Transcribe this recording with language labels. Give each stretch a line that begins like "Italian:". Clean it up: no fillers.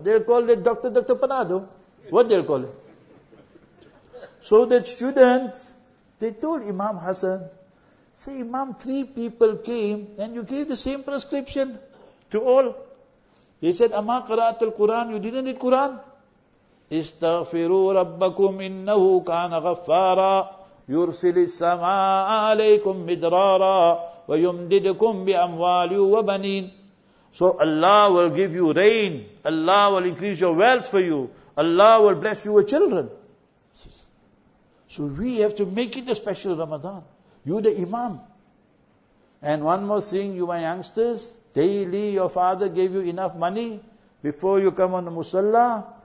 English: They'll call the doctor panado. What they'll call it? So that student, they told Imam Hassan, say Imam, three people came and you gave the same prescription to all. He said,
Arabic: Ama qara'atul Quran,
English: you didn't read Quran?
Arabic: استغفروا ربكم إنه كان غفارا يرسل السماء عليكم مدرارا ويمددكم بأموال وبنين.
English: So Allah will give you rain. Allah will increase your wealth for you. Allah will bless you with children. So we have to make it a special Ramadan. You the Imam. And one more thing, you my youngsters, daily your father gave you enough money before you come on the Musalla.